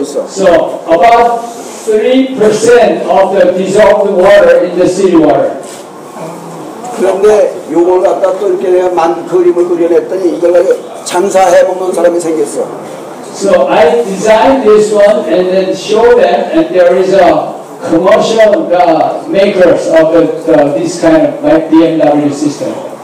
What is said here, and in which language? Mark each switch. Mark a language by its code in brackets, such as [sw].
[en] So about 3% of the dissolved water in the city water. [ko] 그런데 요걸 갖다 또 이렇게 내가 만 그림을 그려냈더니 이걸 가지고 장사해 먹는 사람이 생겼어. [en] So I designed this one and then show them, and there is a commercial makers of this kind of like BMW system.